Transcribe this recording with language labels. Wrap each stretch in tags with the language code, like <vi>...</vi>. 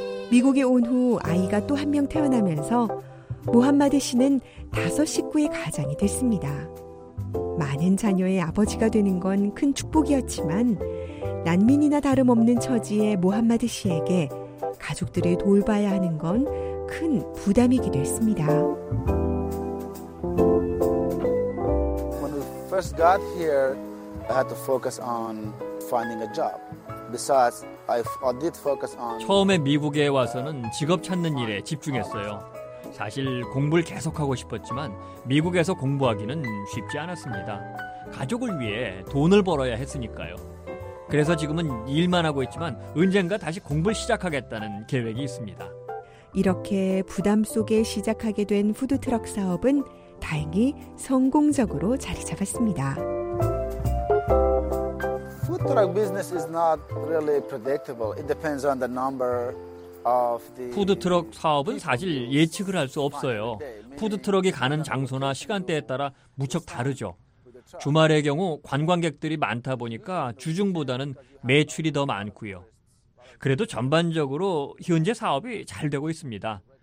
<ko>미국에 온 후 아이가 또 한 명 태어나면서 무함마드 씨는 다섯 식구의 가장이 됐습니다. 많은 자녀의 아버지가 되는 건 큰 축복이었지만 난민이나 다름없는 처지의 무함마드 씨에게 가족들을 돌봐야 하는 건 큰 부담이기도 했습니다.</ko> <en>When we first got here, I had to focus on finding a job. Besides, I did focus on.</en> <ko>처음에 미국에 와서는 직업 찾는 일에 집중했어요. 사실 공부를 계속하고 싶었지만 미국에서 공부하기는 쉽지 않았습니다. 가족을 위해 돈을 벌어야 했으니까요. 그래서 지금은 일만 하고 있지만 언젠가 다시 공부를 시작하겠다는 계획이 있습니다. 이렇게 부담 속에 시작하게 된 푸드트럭 사업은 다행히 성공적으로 자리 잡았습니다.</ko> <en>Food truck business is not really predictable. It depends on the number.</en> <ko>푸드트럭 사업은 사실 예측을 할 수 없어요. 푸드트럭이 가는 장소나 시간대에 따라 무척 다르죠. 주말의 경우 관광객들이 많다 보니까 주중보다는 매출이 더 많고요. 그래도 전반적으로 현재 사업이 잘 되고 있습니다.</ko>